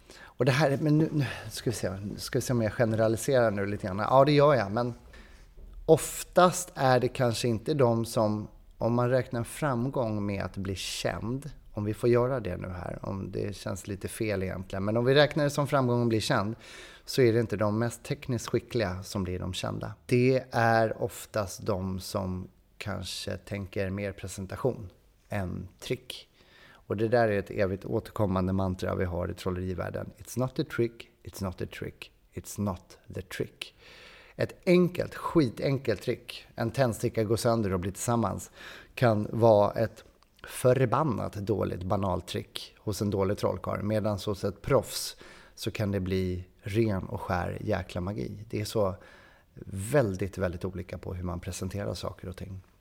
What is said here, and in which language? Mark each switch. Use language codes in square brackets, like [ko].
[sv] Och det här, men nu ska vi se om jag generaliserar nu lite grann. Ja, det gör jag, men oftast är det kanske inte de som, om man räknar framgång med att bli känd, om vi får göra det nu här, om det känns lite fel egentligen, men om vi räknar det som framgång att bli känd, så är det inte de mest tekniskt skickliga som blir de kända. Det är oftast de som kanske tänker mer presentation än trick. Och det där är ett evigt återkommande mantra vi har i trollerivärlden. [en] It's not the trick, it's not the trick, it's not the trick. [sv] Ett enkelt, skitenkelt trick, en tändsticka går sönder och blir tillsammans, kan vara ett förbannat dåligt banalt trick hos en dålig trollkarl. Medan hos ett proffs så kan det bli ren och skär jäkla magi. Det är så väldigt, väldigt olika på hur man presenterar saker och ting.